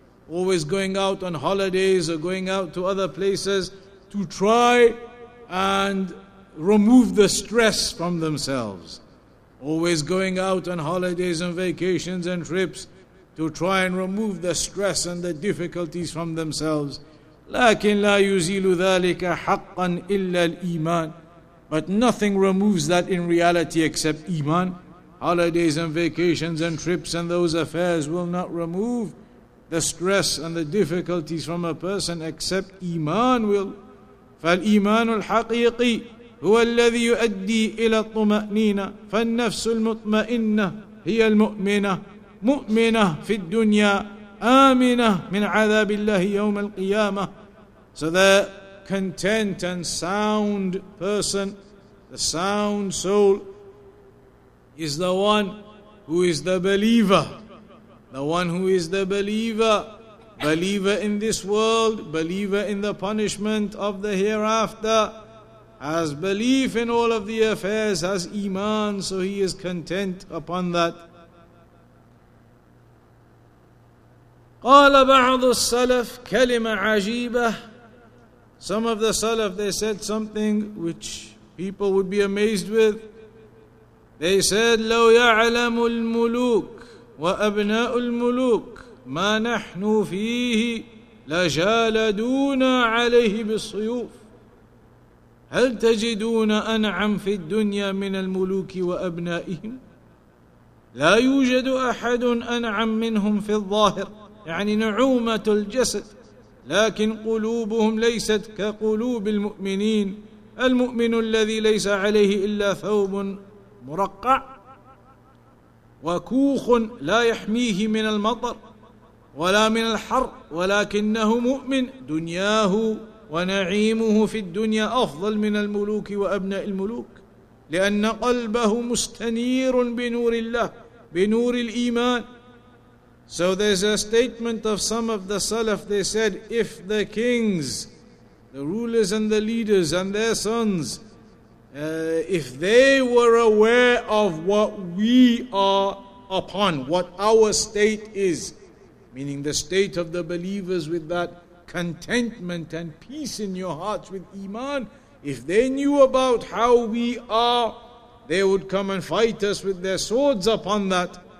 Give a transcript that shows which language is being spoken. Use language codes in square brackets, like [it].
[en] Always going out on holidays or going out to other places to try and remove the stress from themselves. Always going out on holidays and vacations and trips to try and remove the stress and the difficulties from themselves. [ar] لكن لا يزيل ذلك حقا إلا الإيمان. [en] But nothing removes that in reality except iman. Holidays and vacations and trips and those affairs will not remove the stress and the difficulties from a person except iman will. [ar] فالإيمان الحقيقي هو الذي يؤدي إلى الطمأنينة فالنفس المطمئنة هي المؤمنة مؤمنة في الدنيا آمنة من عذاب الله يوم القيامة. [en] So that content and sound person, the sound soul, is the one who is the believer. The one who is the believer. Believer in this world, believer in the punishment of the hereafter. Has belief in all of the affairs, has iman, so he is content upon that. [ar] قال بعض السلف كلمة عجيبة. [en] Some of the Salaf, they said something which people would be amazed with. They said, [ar] لو يعلم الملوك وأبناء الملوك ما نحن فيه لجالدونا عليه بالصيوف. هل تجدون أنعم في الدنيا من الملوك وأبنائهم؟ لا يوجد أحد أنعم منهم في الظاهر يعني نعومة الجسد لكن قلوبهم ليست كقلوب المؤمنين المؤمن الذي ليس عليه إلا ثوب مرقع وكوخ لا يحميه من المطر ولا من الحر ولكنه مؤمن دنياه ونعيمه في الدنيا أفضل من الملوك وأبناء الملوك لأن قلبه مستنير بنور الله بنور الإيمان. [en] So there's a statement of some of the Salaf, they said, if the kings, the rulers and the leaders and their sons, if they were aware of what we are upon, what our state is, meaning the state of the believers with that contentment and peace in your hearts with iman, if they knew about how we are, they would come and fight us with their swords upon that.